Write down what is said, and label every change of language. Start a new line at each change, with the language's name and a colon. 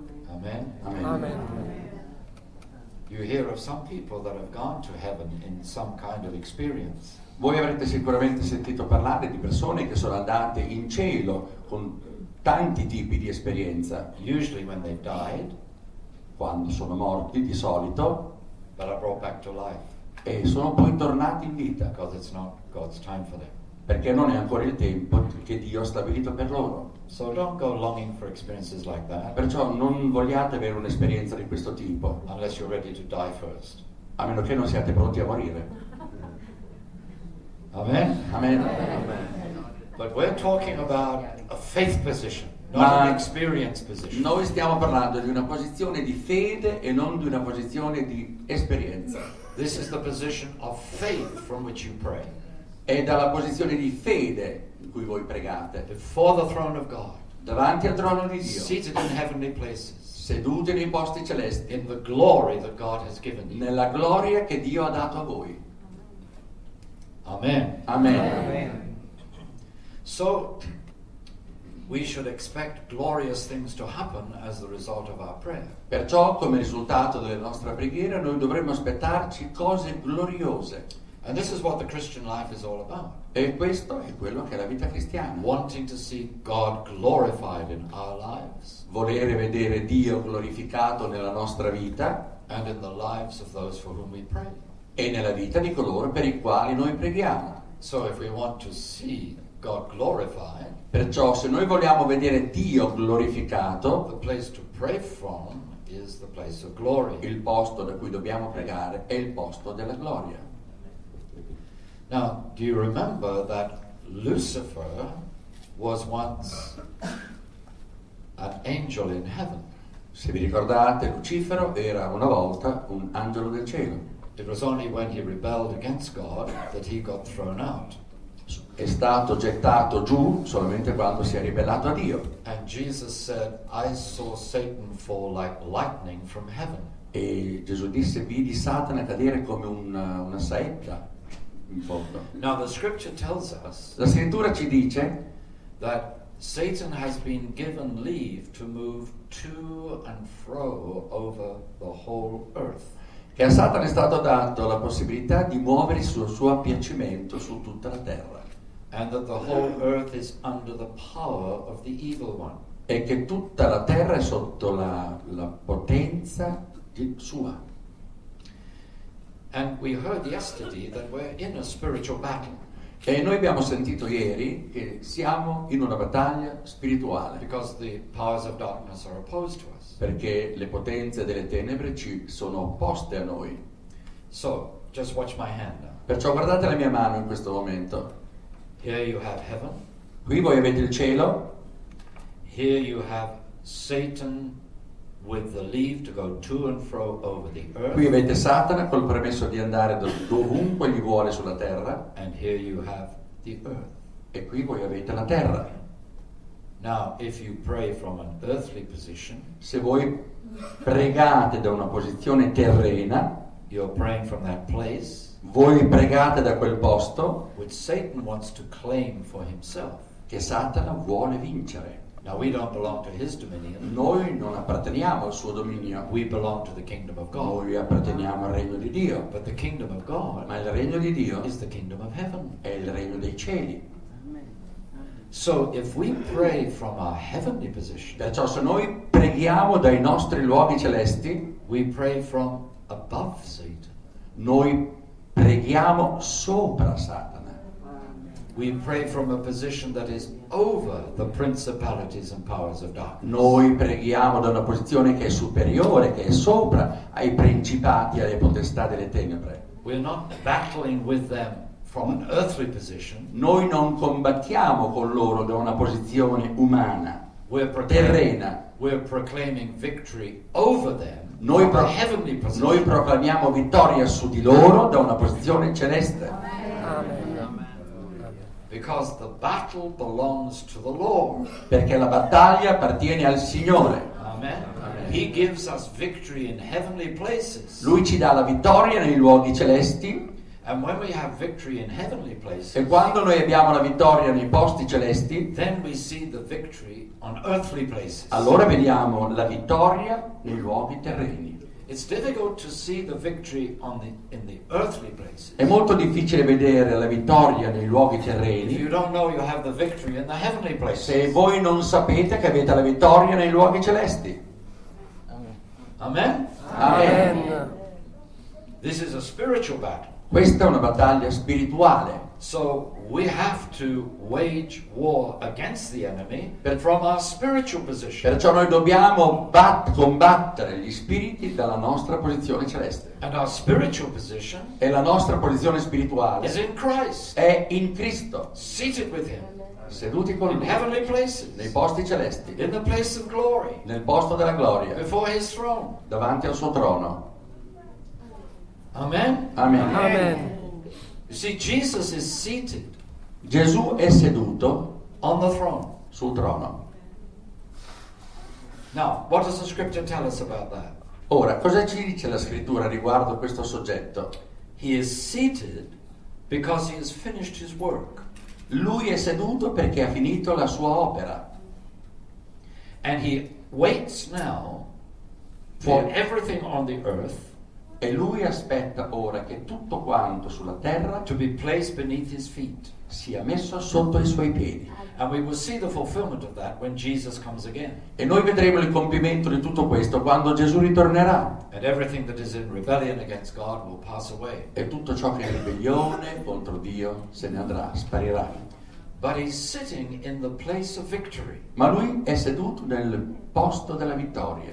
English: Amen. Amen. Amen. You hear of some people that have gone to heaven in some kind of experience.
Italian: Voi avrete sicuramente sentito parlare di persone che sono andate in cielo con tanti tipi di esperienza.
English: Usually when they died,
Italian: quando sono morti di solito,
English: but are brought back to life.
Italian: E sono poi tornati in vita.
English: Because it's not God's time for them.
Italian: Perché non è ancora il tempo che Dio ha stabilito per loro.
English: So don't go longing for experiences like that.
Italian: Perciò non vogliate avere un'esperienza di questo tipo.
English: Unless you're ready to die first.
Italian: A meno che non siate pronti a morire. Amen. Amen. Amen.
English: But we're talking about a faith position, not an experience position.
Italian: Noi stiamo parlando di una posizione di fede e non di una posizione di esperienza.
English: This is the position of faith from which you pray.
Italian: È dalla posizione di fede in cui voi pregate.
English: Before the throne of God.
Italian: Davanti al trono di Dio.
English: Seated in heavenly places.
Italian: Sedute nei posti celesti.
English: In the glory that God has given you.
Italian: Nella gloria che Dio ha dato a voi. Amen. Amen. Amen.
English: So we should expect glorious things to happen as the result of our prayer.
Italian: Perciò, come risultato della nostra preghiera, noi dovremmo aspettarci cose gloriose.
English: And this is what the Christian life is all about.
Italian: E questo è quello che è la vita cristiana.
English: Wanting to see God glorified in our lives.
Italian: Volere vedere Dio glorificato nella nostra vita.
English: And in the lives of those for whom we pray.
Italian: E nella vita di coloro per i quali noi preghiamo.
English: So if we want to see God glorified,
Italian: perciò se noi vogliamo vedere Dio glorificato,
English: the place to pray from is the place of glory.
Italian: Il posto da cui dobbiamo pregare è il posto della gloria.
English: Now, do you remember that Lucifer was once an angel in heaven?
Italian: Se vi ricordate, Lucifero era una volta un angelo del cielo.
English: It was only when he rebelled against God that he got thrown out.
Italian: È stato gettato giù solamente quando si è ribellato a Dio.
English: And Jesus said, I saw Satan fall like lightning from heaven.
Italian: E Gesù disse, vidi Satana cadere come una saetta in fondo.
English: Now the scripture tells us,
Italian: la scrittura ci dice,
English: that Satan has been given leave to move to and fro over the whole earth.
Italian: Che a Satana è stato dato la possibilità di muoversi sul suo piacimento su tutta la terra.
English: And that the whole earth is under the power of the evil one.
Italian: E che tutta la terra è sotto la potenza di sua.
English: And we heard yesterday that we're in a spiritual battle.
Italian: E noi abbiamo sentito ieri che siamo in una battaglia spirituale.
English: Because the powers of darkness are opposed to us.
Italian: Perché le potenze delle tenebre ci sono opposte a noi.
English: So, just watch my hand now.
Italian: Perciò guardate la mia mano in questo momento.
English: Here you have heaven.
Italian: Qui voi avete il cielo.
English: Here you have Satan with the leave to go to and fro over the earth.
Italian: Qui avete Satana col permesso di andare dovunque gli vuole sulla terra.
English: And here you have the earth.
Italian: E qui voi avete la terra.
English: Now, if you pray from an earthly position,
Italian: se voi pregate da una posizione terrena,
English: you're praying from that place,
Italian: voi pregate da quel posto,
English: which Satan wants to claim for himself,
Italian: che Satana vuole vincere.
English: Now we don't belong to his dominion.
Italian: Noi non apparteniamo al suo dominio.
English: We belong to the kingdom of God.
Italian: Noi apparteniamo al regno di Dio.
English: But the kingdom of God,
Italian: ma il regno di Dio,
English: is the kingdom of heaven.
Italian: È il regno dei cieli.
English: So if we pray from our heavenly position,
Italian: perciò se noi preghiamo dai nostri luoghi celesti,
English: we pray from above Satan.
Italian: Noi preghiamo sopra Satana.
English: We pray from a position that is over the principalities and powers of darkness.
Italian: Noi preghiamo da una posizione che è superiore, che è sopra ai principati e alle potestà delle tenebre.
English: We're not battling with them from an earthly position.
Italian: Noi non combattiamo con loro da una posizione umana, terrena.
English: We're proclaiming victory over them.
Italian: Noi proclamiamo vittoria su di loro da una posizione celeste.
English: Because the battle belongs to the Lord.
Italian: Perché la battaglia appartiene al Signore.
English: Amen. He gives us victory in heavenly places.
Italian: Lui ci dà la vittoria nei luoghi celesti.
English: And when we have victory in heavenly places,
Italian: e quando noi abbiamo la vittoria nei posti celesti,
English: then we see the victory on earthly places.
Italian: Allora vediamo la vittoria nei luoghi terreni.
English: It's difficult to see the victory on the, in the earthly places.
Italian: È molto difficile vedere la vittoria nei luoghi terreni.
English: If you don't know you have the victory in the heavenly places.
Italian: Se voi non sapete che avete la vittoria nei luoghi celesti. Amen. Amen. Amen.
English: This is a spiritual battle.
Italian: Questa è una battaglia spirituale.
English: So we have to wage war against the enemy from our spiritual position.
Italian: Perciò noi dobbiamo combattere gli spiriti dalla nostra posizione celeste.
English: And our spiritual position,
Italian: e la nostra posizione spirituale,
English: is in Christ.
Italian: È in Cristo.
English: Seated with him.
Italian: Seduti con lui.
English: In heavenly places.
Italian: Nei posti celesti.
English: In the place of glory.
Italian: Nel posto della gloria.
English: Before his throne.
Italian: Davanti al suo trono. Amen. Amen. Amen.
English: You see, Jesus is seated.
Italian: Gesù è seduto
English: on the throne.
Italian: Sul trono.
English: Now, what does the scripture tell us about that?
Italian: Ora, cosa ci dice la scrittura riguardo questo soggetto?
English: He is seated because he has finished his work.
Italian: Lui è seduto perché ha finito la sua opera.
English: And he waits now for everything on the earth.
Italian: E lui aspetta ora che tutto quanto sulla terra
English: to be placed beneath his feet,
Italian: sia messo sotto i suoi piedi.
English: And we will see the fulfillment of that when Jesus comes again.
Italian: E noi vedremo il compimento di tutto questo quando Gesù ritornerà.
English: And everything that is in rebellion against God will pass away.
Italian: E tutto ciò che è in ribellione contro Dio se ne andrà, sparirà.
English: But he's sitting in the place of victory.
Italian: Ma lui è seduto nel posto della vittoria.